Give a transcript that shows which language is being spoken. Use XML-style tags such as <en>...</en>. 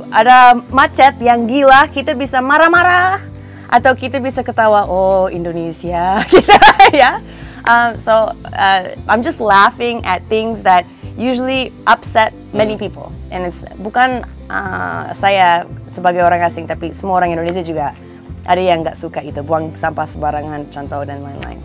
<id>Ada macet yang gila, kita bisa marah-marah atau kita bisa ketawa, oh Indonesia kita ya.</id> <en>I'm just laughing at things that usually upset many people. And it's</en> <id>bukan saya sebagai orang asing, tapi semua orang Indonesia juga ada yang enggak suka itu, buang sampah sembarangan contoh dan lain-lain.</id>